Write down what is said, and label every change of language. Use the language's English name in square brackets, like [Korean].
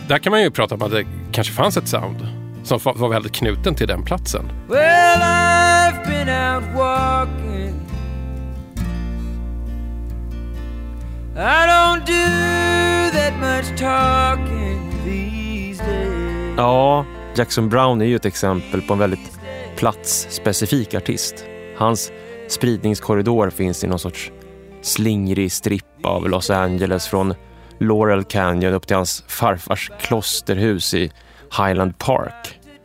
[Swedish] Där kan man ju prata om att det kanske fanns ett sound som var väldigt knuten till den platsen. [English] Well, I've been out walking. I don't do that much talking these days. [Swedish] Ja, Jackson Brown är ju ett exempel på en väldigt platsspecifik artist. Hans spridningskorridor finns i någon sorts slingrig stripp av Los Angeles från Laurel Canyon upp till hans farfars klosterhus i Highland Park.